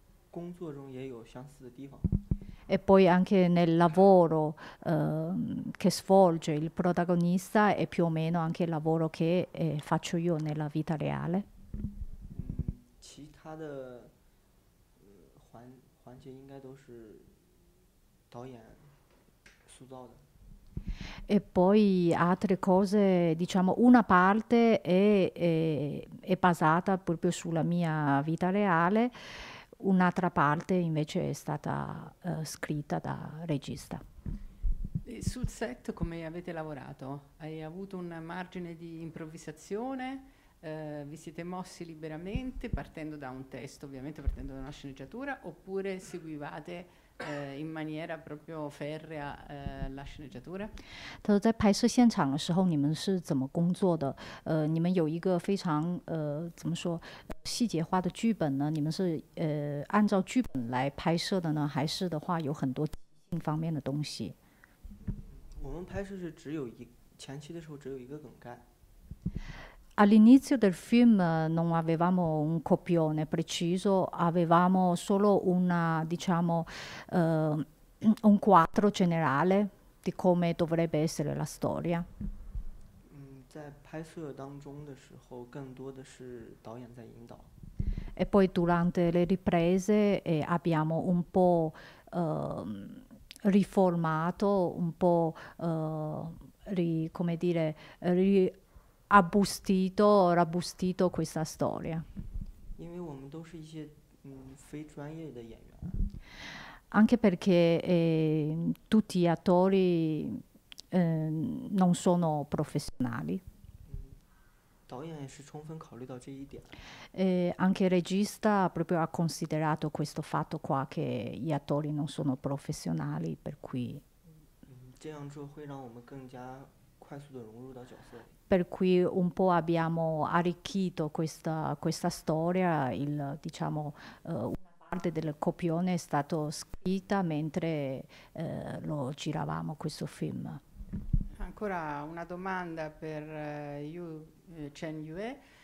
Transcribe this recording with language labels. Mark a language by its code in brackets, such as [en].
[zh] 工作中也有相似的地方。 [it] E poi anche nel lavoro che svolge il protagonista è più o meno anche il lavoro che faccio io nella vita reale. [zh] 其他的环节应该都是导演塑造的。 [it] E poi altre cose, diciamo, una parte è basata proprio sulla mia vita reale, un'altra parte invece è stata scritta da regista. Sul set come avete lavorato? Hai avuto un margine di improvvisazione? Vi siete mossi liberamente partendo da un testo, ovviamente partendo da una sceneggiatura, oppure seguivate in maniera proprio ferrea la sceneggiatura? [zh] 他说在拍摄现场的时候，你们是怎么工作的？你们有一个非常怎么说细节化的剧本呢？你们是按照剧本来拍摄的呢，还是的话有很多性方面的东西？我们拍摄是只有一，前期的时候只有一个梗概。 [it] All'inizio del film non avevamo un copione preciso, avevamo solo diciamo, un quadro generale di come dovrebbe essere la storia. [zh] 在拍摄当中的时候，更多的是导演在引导。 [it] E poi durante le riprese abbiamo un po' riformato, un po' come dire, rabbustito questa storia. Perché [zh] 非专业的演员。 [it] Anche perché tutti gli attori non sono professionali. [zh] 导演也是充分考虑到这一点。 [it] Anche il regista proprio ha considerato questo fatto qua che gli attori non sono professionali, per cui. [zh] 这样做会让我们更加快速地融入到角色。 [it] Per cui un po' abbiamo arricchito questa storia, una parte del copione è stata scritta mentre lo giravamo questo film. Ancora una domanda per Yu Chen Yue.